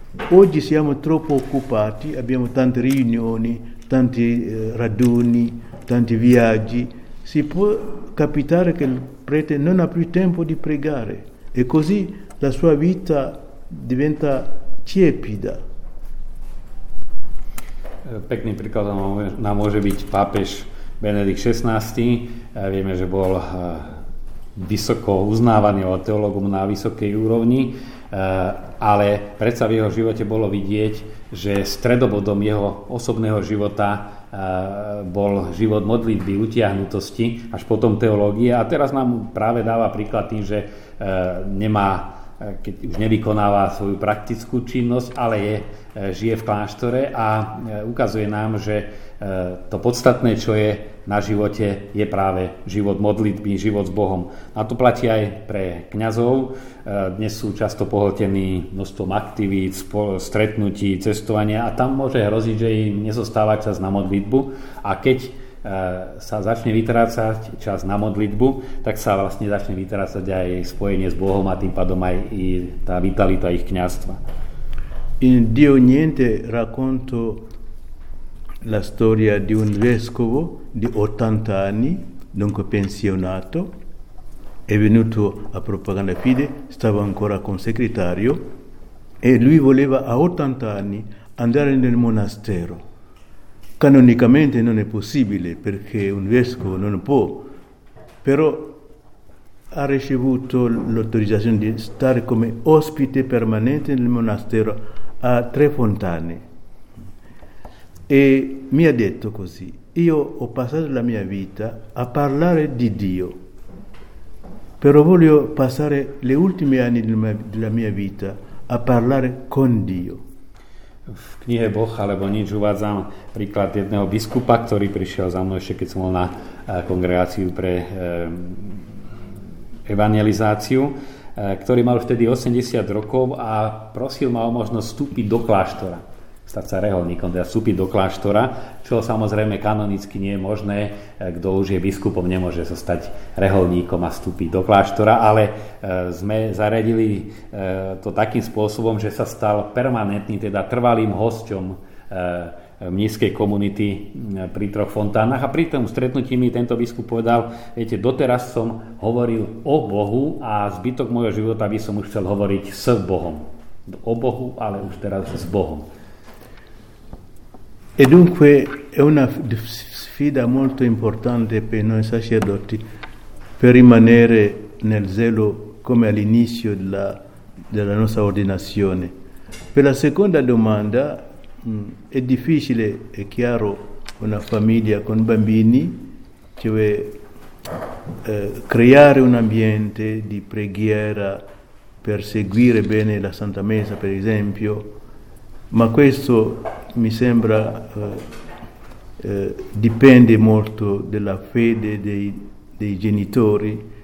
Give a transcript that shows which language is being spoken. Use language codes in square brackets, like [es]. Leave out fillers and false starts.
[it] Oggi siamo troppo occupati, abbiamo tante riunioni, tanti raduni, tanti viaggi. Si può capitare che il prete non ha più tempo di pregare e così la sua vita diventa tiepida. [sk] Pekný príklad nám môže byť pápež Benedikt XVI. Vieme, že bol vysoko uznávaný od teológov na vysokej úrovni, ale predsa v jeho živote bolo vidieť, že stredobodom jeho osobného života bol život modlitby, utiahnutosti, až potom teológia. A teraz nám práve dáva príklad tým, že nemá, keď už nevykonáva svoju praktickú činnosť, ale je, žije v kláštore a ukazuje nám, že to podstatné, čo je na živote, je práve život modlitby, život s Bohom. A to platí aj pre kňazov. Dnes sú často pohltení množstvom aktivít, stretnutí, cestovania a tam môže hroziť, že im nezostáva čas na modlitbu. A keď sa začne vytrácať čas na modlitbu, tak sa vlastne začne vytrácať aj spojenie s Bohom a tým pádom aj i tá vitalita ich kňazstva. [it] In Dio Niente racconto la storia di un vescovo di 80 anni, dunque pensionato, è venuto a Propaganda Fide, stava ancora con segretario e lui voleva a 80 anni andare nel monastero. Canonicamente non è possibile perché un vescovo non può, però ha ricevuto l'autorizzazione di stare come ospite permanente nel monastero a Tre Fontane. E mi ha detto così: io ho passato la mia vita a parlare di Dio, però voglio passare le ultime anni della mia vita a parlare con Dio. [sk] V knihe Boh alebo nič uvádzam príklad jedného biskupa, ktorý prišiel za mnou ešte keď som bol na kongregáciu pre evangelizáciu, ktorý mal vtedy 80 rokov a prosil ma o možnosť vstúpiť do kláštora, stať sa reholníkom, teda vstúpiť do kláštora, čo samozrejme kanonicky nie je možné, kto už je biskupom, nemôže zostať reholníkom a vstúpiť do kláštora, ale sme zariadili to takým spôsobom, že sa stal permanentný, teda trvalým hosťom mnišskej komunity pri Troch Fontánach. A pri tom stretnutí mi tento biskup povedal: viete, doteraz som hovoril o Bohu a zbytok môjho života by som už chcel hovoriť s Bohom. O Bohu, ale už teraz s Bohom. [it] E dunque è una sfida molto importante per noi sacerdoti per rimanere nel zelo come all'inizio della nostra ordinazione. Per la seconda domanda, è difficile, è chiaro, una famiglia con bambini, cioè creare un ambiente di preghiera per seguire bene la Santa Messa, per esempio, ma questo mi sembra dipende molto dalla fede dei genitori.